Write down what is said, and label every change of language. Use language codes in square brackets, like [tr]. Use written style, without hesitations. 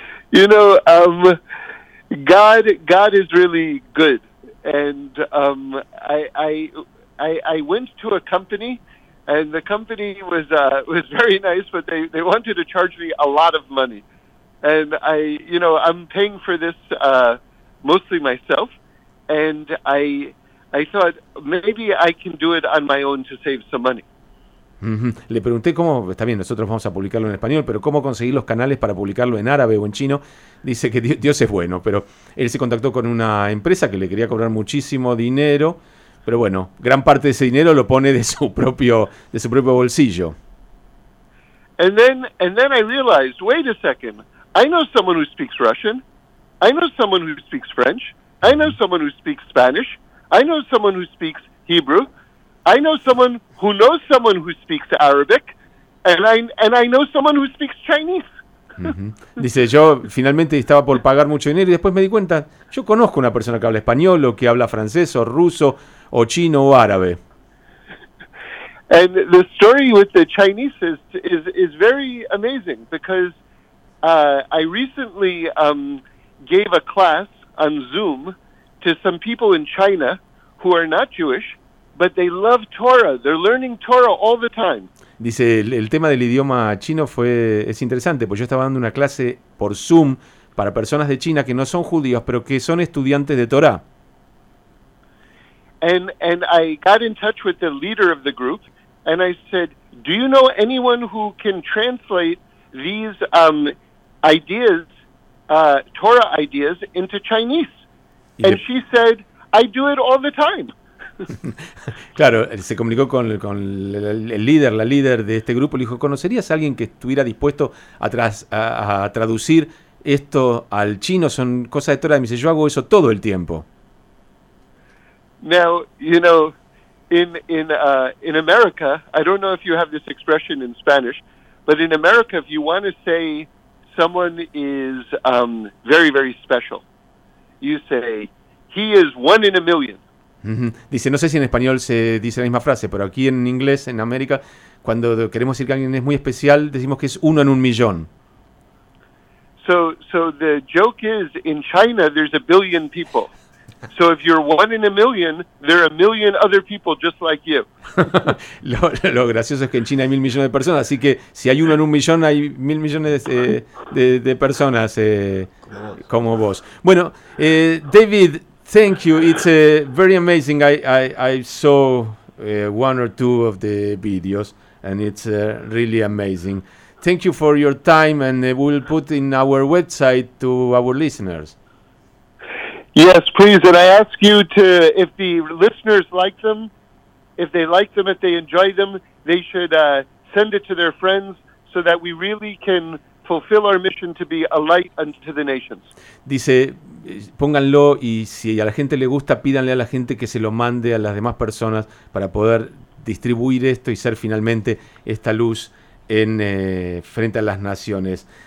[en] You know, God is really good, and I went to a company, and the company was very nice, but they wanted to charge me a lot of money, and I'm paying for this mostly myself, and I thought maybe I can do it on my own to save some money. Mm-hmm. [es] Le pregunté cómo, está bien, nosotros vamos a publicarlo en español, pero cómo conseguir los canales para publicarlo en árabe o en chino. Dice que Dios es bueno, pero él se contactó con una empresa que le quería cobrar muchísimo dinero, pero bueno, gran parte de ese dinero lo pone de su propio bolsillo. [en] And then I realized, wait a second, I know someone who speaks Russian, I know someone who speaks French, I know someone who speaks Spanish, I know someone who speaks Hebrew, I know someone who knows someone who speaks Arabic, and I know someone who speaks Chinese. [es] Dice, yo finalmente estaba por pagar mucho dinero y después me di cuenta, yo conozco una persona que habla español o que habla francés o ruso o chino o árabe. [en] And the story with the Chinese is very amazing because I recently gave a class on Zoom to some people in China who are not Jewish. But they love Torah. They're learning Torah all the time. [es] Dice, el tema del idioma chino es interesante, pues yo estaba dando una clase por Zoom para personas de China que no son judíos, pero que son estudiantes de Torah. [en] And I got in touch with the leader of the group, and I said, do you know anyone who can translate these Torah ideas into Chinese? And she said, I do it all the time. [es] Claro, se comunicó con la líder de este grupo, le dijo, ¿conocerías a alguien que estuviera dispuesto a traducir esto al chino? Son cosas de Torah. Me dice, yo hago eso todo el tiempo. [en] Now, you know, in America, I don't know if you have this expression in Spanish, but in America, if you want to say someone is very, very special, you say, he is one in a million. [es] Dice, no sé si en español se dice la misma frase, pero aquí en inglés, en América, cuando queremos decir que alguien es muy especial, decimos que es uno en un millón. [en] So the joke is, in China there's a billion people. So if you're one in a million, there are a million other people just like you. [es] Lo gracioso es que en China hay 1,000,000,000 de personas, así que si hay uno en un millón, hay 1,000,000,000 de personas como vos. Bueno, [en] David... Thank you. It's very amazing. I saw one or two of the videos, and it's really amazing. Thank you for your time, and we'll put in our website to our listeners. Yes, please. And I ask you to, if the listeners like them, if they like them, if they enjoy them, they should send it to their friends so that we really can fulfill our mission to be a light unto the nations. [es] Dice, pónganlo y si a la gente le gusta, pídanle a la gente que se lo mande a las demás personas para poder distribuir esto y ser finalmente esta luz en frente a las naciones.